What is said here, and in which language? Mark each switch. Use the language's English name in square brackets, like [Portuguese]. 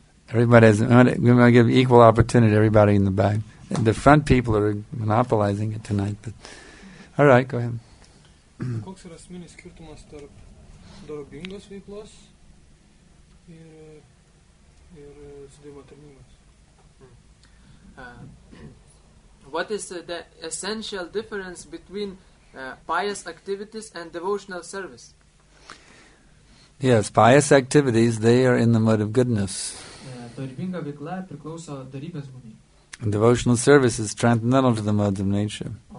[English] Everybody has, I'm going to give equal opportunity to everybody in the back. And the front people are monopolizing it tonight. But all right, go ahead. [Lithuanian] Koks yra esminis skirtumas tarp dorobingos veiklos ir sudėjimo tarnybos? [English] What is the essential difference between pious activities and devotional service? Yes, pious activities, they are in the mode of goodness. [Lithuanian] Dorybinga veikla priklauso dorybės būdui. [English] And devotional service is transcendental to the modes of nature.